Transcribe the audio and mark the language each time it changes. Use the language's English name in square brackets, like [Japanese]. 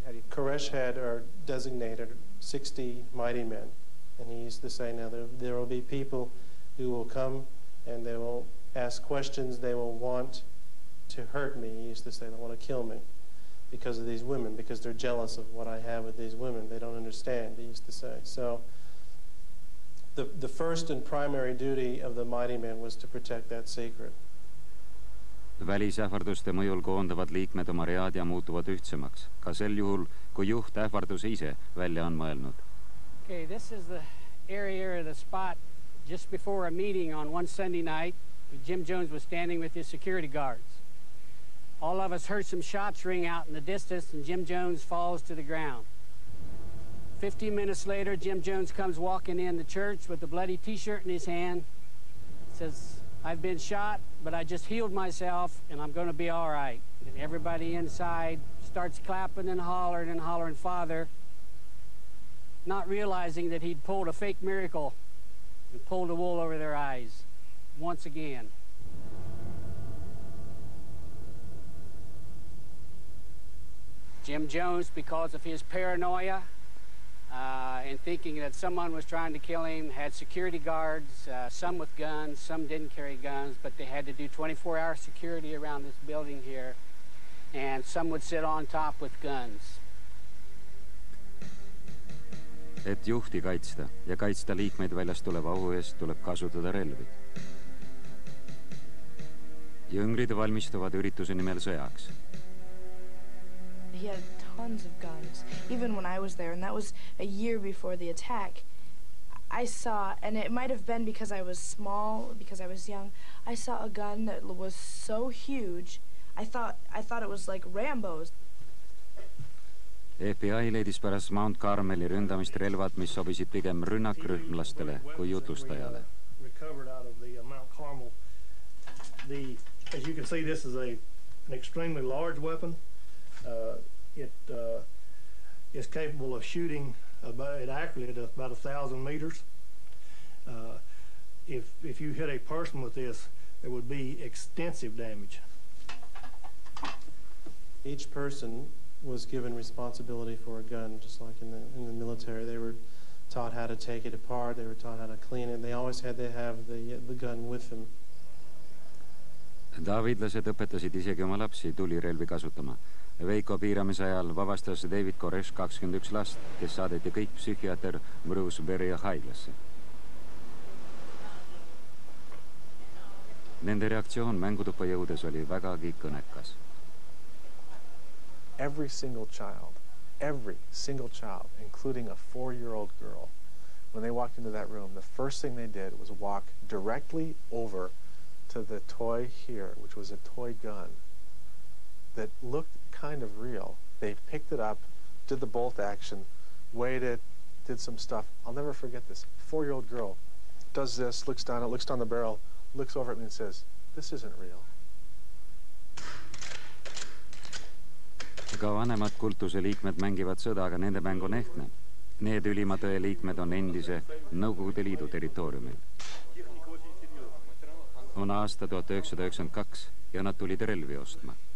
[English] Koresh had or designated 60 mighty men, and he used to say, now there will be people who will come and they will ask questions, they will want to hurt me. He used to say, they want to kill me because of these women, because they're jealous of what I have with these women. They don't understand, he used to say. So the first and primary duty of the mighty men was to protect that secret. [Estonian] Välisähvarduste mõjul koondavad liikmed oma read ja muutuvad ühtsemaks. Ka sel juhul, kui juht ähvarduse ise välja on mõelnud. [English] Okay, this is the area or the spot just before a meeting on one Sunday night. Jim Jones was standing with his security guards. All of us heard some shots ring out in the distance and Jim Jones falls to the ground. 15 minutes later, Jim Jones comes walking in the church with a bloody t-shirt in his hand. Says, I've been shot, but I just healed myself and I'm going to be all right. And everybody inside starts clapping and hollering, Father, not realizing that he'd pulled a fake miracle and pulled the wool over their eyes once again. Jim Jones, because of his paranoia, and thinking that someone was trying to kill him, had security guards, some with guns, some didn't carry guns, but they had to do 24-hour security around this building here, and some would sit on top with guns. [Estonian] Et juhti kaitsta ja kaitsta liikmeid väljast tuleva ohu eest, tuleb kasutada relvi. Jüngrid valmistuvad ürituse nimel sõjaks. [English] He had tons of guns. Even when I was there, and that was a year before the attack, I saw, and it might have been because I was small, because I was young, I saw a gun that was so huge, I thought it was like Rambo's. [Estonian] FBI leidis pärast Mount Carmeli ründamist relvad, mis sobisid pigem rünnakrühmlastele kui jutlustajale. [English] As you can see, this is an extremely large weapon. It is capable of shooting about 1,000 meters. If you hit a person with this, there would be extensive damage. Each person was given responsibility for a gun, just like in the military. They were taught how to take it apart. They were taught how to clean it. They always had to have the gun with them. [Estonian] Davidlased õpetasid isegi oma lapsi tulirelvi kasutama. Veiko piiramise ajal vabastas David Koresh 21 last, kes saadeti kõik psühhiaater Bruce Berea haiglasse. Nende reaktsioon mängutuppa jõudes oli vägagi kõnekas. [English] Every single child, including a 4-year-old girl, when they walked into that room, the first thing they did was walk directly over to the toy here, which was a toy gun that looked kind of real. They picked it up, did the bolt action, weighed it, did some stuff. I'll never forget this. 4-year-old girl does this, looks down, it looks down the barrel, looks over at me and says, this isn't real. [Estonian] Ka vanemad kultuse liikmed mängivad sõda, aga nende mäng on ehtne. Need ülimatõe liikmed on endise Nõukogude Liidu territooriumil. On aasta 1992 ja nad tulid relvi ostma.